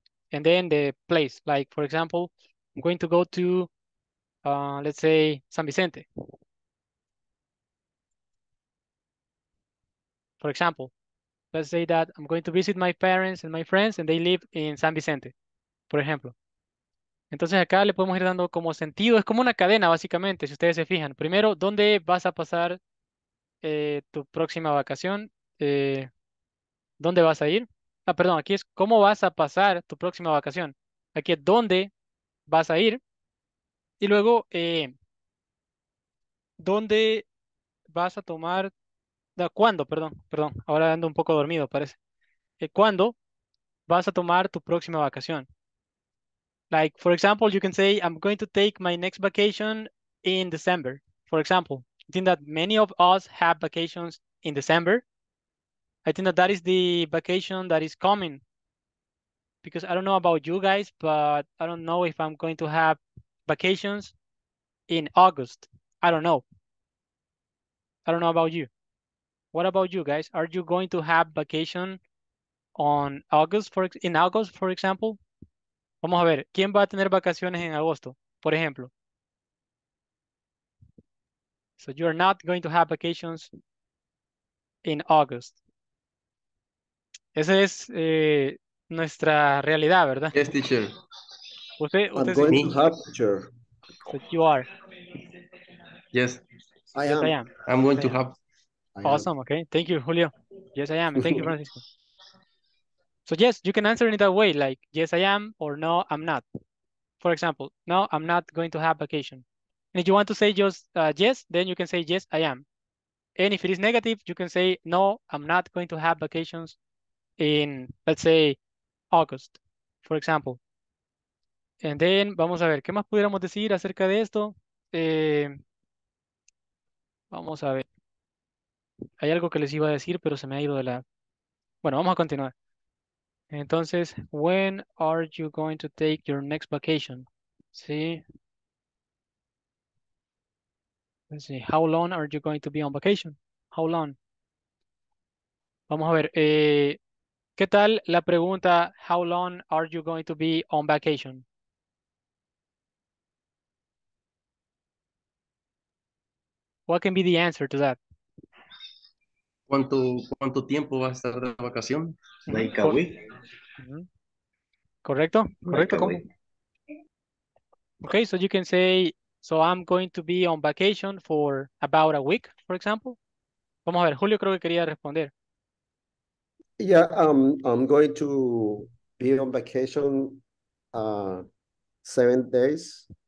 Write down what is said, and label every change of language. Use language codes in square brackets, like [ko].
[en] And then the place. Like, for example, I'm going to go to. Let's say San Vicente, for example. Let's say that I'm going to visit my parents and my friends and they live in San Vicente, [es] por ejemplo. Entonces acá le podemos ir dando como sentido, es como una cadena básicamente, si ustedes se fijan. Primero, ¿dónde vas a pasar tu próxima vacación? ¿Dónde vas a ir? Ah, perdón, aquí es ¿cómo vas a pasar tu próxima vacación? Aquí es ¿dónde vas a ir? Y luego, ¿dónde vas a tomar? ¿Cuándo? Perdón. Ahora ando un poco dormido, parece. ¿Cuándo vas a tomar tu próxima vacación? [en] Like, for example, you can say, I'm going to take my next vacation in December. For example, I think that many of us have vacations in December. I think that that is the vacation that is coming. Because I don't know about you guys, but I don't know if I'm going to have vacations in August. I don't know. I don't know about you. What about you guys? Are you going to have vacation on August, for example? [es] Vamos a ver. ¿Quién va a tener vacaciones en agosto, por ejemplo? [en] So you are not going to have vacations in August. [es] Esa es nuestra realidad, ¿verdad? [en] Yes, teacher. [es] Usted [en] I'm going to have teacher. That you are. Yes. I am. I'm going to have. Awesome. Okay. Thank you, Julio. Yes, I am. Thank you, Francisco. So yes, you can answer in that way, like yes, I am, or no, I'm not. For example, no, I'm not going to have vacation. And if you want to say just yes, then you can say yes, I am. And if it is negative, you can say no, I'm not going to have vacations in, let's say, August, for example. And then, [es] vamos a ver, ¿qué más pudiéramos decir acerca de esto? Vamos a ver. Hay algo que les iba a decir, pero se me ha ido de la... Bueno, vamos a continuar. Entonces, [en] when are you going to take your next vacation? [es] ¿Sí? [en] Let's see, how long are you going to be on vacation? How long? [es] Vamos a ver. ¿Qué tal la pregunta? [en] How long are you going to be on vacation? What can be the answer to that? [es] ¿Cuánto tiempo va a estar de vacación? [en] Like a week. [es] Correcto, correcto. [en] Like okay, so you can say, so I'm going to be on vacation for about a week, for example. [es] Vamos a ver, Julio creo que quería responder. [en] Yeah, I'm going to be on vacation 7 days.